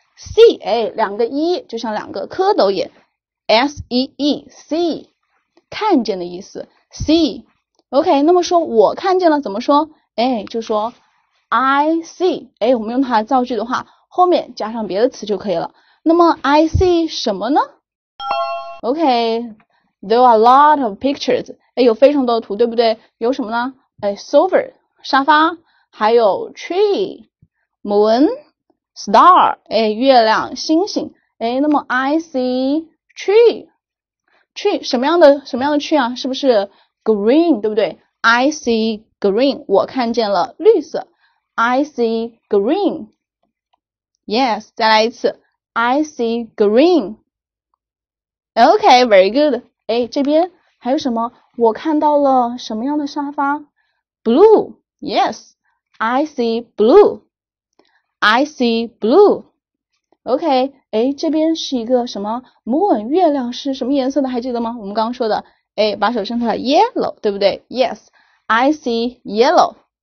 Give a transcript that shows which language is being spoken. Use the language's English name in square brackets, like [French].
[Chinese] See, 哎，两个 E, 就像两个蝌蚪眼。S-E-E, see, 看见的意思。 See,OK, 那么说我看见了怎么说？哎，就说 [English] I see, [Chinese] 哎，我们用它来造句的话，后面加上别的词就可以了。那么 I see 什么呢？ [English] OK, there are a lot of pictures, 哎， [Chinese] 有非常多的图，对不对？有什么呢？哎， sofa, 沙发，还有 tree, moon, star, 哎，月亮，星星。哎，那么 I see tree, tree, 什么样的 tree 啊？是不是Green, 对不对？ [English] I see green, [Chinese] 我看见了绿色。 [English] I see green. Yes, [Chinese] 再来一次。 [English] I see green. Okay, very good. 哎， [Chinese] 这边还有什么？我看到了什么样的沙发？Blue. [English] Yes, I see blue. I see blue. [Chinese] Okay, 哎，这边是一个什么？Moon 月亮是什么颜色的？还记得吗？我们刚刚说的，哎，把手伸出来，yellow，对不对？ [English] Yes, I see yellow.